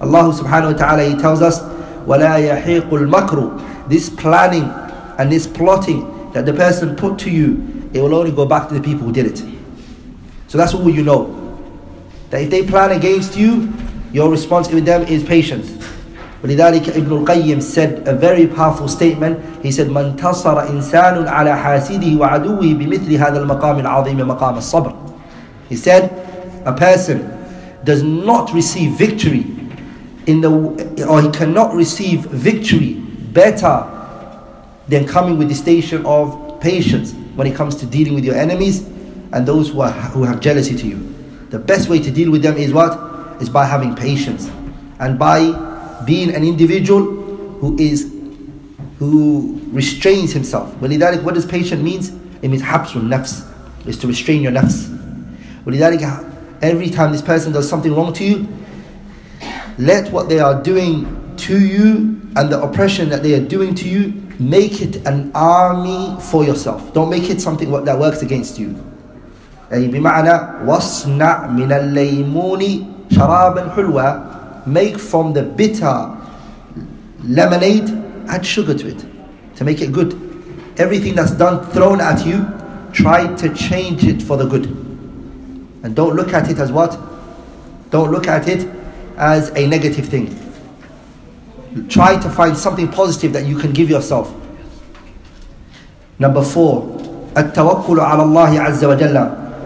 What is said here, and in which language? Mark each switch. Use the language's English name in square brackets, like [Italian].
[English] Allah subhanahu wa ta'ala, he tells us, [Arabic] وَلَا يَحِيقُ الْمَكْرُ. [English] This planning and this plotting that the person put to you, it will only go back to the people who did it. So that's what you know. That if they plan against you, your response to them is patience. [Arabic] ولذلك [English] ابن القيم said a very powerful statement. He said, [Arabic] من تصر إنسان على حاسده وعدوه بمثل هذا المقام العظيم مقام الصبر. [English] He said, a person does not receive victory he cannot receive victory better than coming with the station of patience when it comes to dealing with your enemies and those who have jealousy to you. The best way to deal with them is what? Is by having patience and by being an individual who restrains himself. [Arabic] ولذلك, [English] what does patience mean? It means [Arabic] حبس النفس. [English] It's to restrain your nafs. [Arabic] ولذلك, [English] every time this person does something wrong to you, let what they are doing to you and the oppression that they are doing to you, make it an army for yourself. Don't make it something that works against you. [Arabic] بمعنى, وصنع من الليمون شرابا حلوة. [English] Make from the bitter lemonade, add sugar to it to make it good. Everything that's done, thrown at you, try to change it for the good. And don't look at it as what? Don't look at it as a negative thing. Try to find something positive that you can give yourself. Number 4, [Arabic] التوكل على الله عز وجل.